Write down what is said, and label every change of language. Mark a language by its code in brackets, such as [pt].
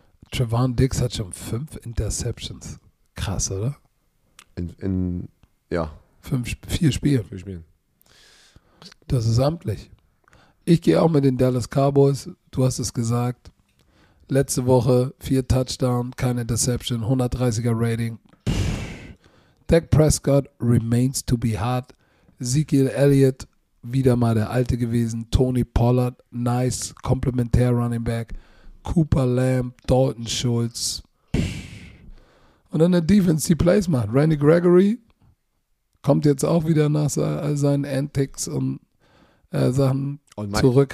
[de] Trevon Diggs hat schon 5 Interceptions. Krass, oder? In 4 Spielen. Das ist amtlich. Ich gehe auch mit den Dallas Cowboys. Du hast es gesagt. Letzte Woche 4 Touchdown, keine Interception, 130er Rating. [en] Dak Prescott remains to be hard. [de] Ezekiel Elliott, wieder mal der Alte gewesen. Tony Pollard, nice, komplementär Running Back. Cooper Lamb, Dalton Schultz. Und dann der Defense, die Plays macht. Randy Gregory kommt jetzt auch wieder nach seinen Antics und Sachen zurück.